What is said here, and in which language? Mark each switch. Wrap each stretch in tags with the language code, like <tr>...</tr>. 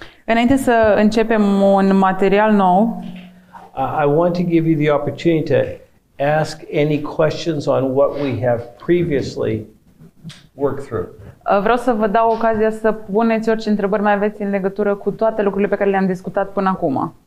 <ro>înainte să începem un material nou,</ro> <en>I want to give you the opportunity to ask any questions on what we have previously worked through.</en> <ro>Vreau să vă dau ocazia să puneți orice întrebări mai aveți în legătură cu toate lucrurile pe care le-am discutat până acum.</ro>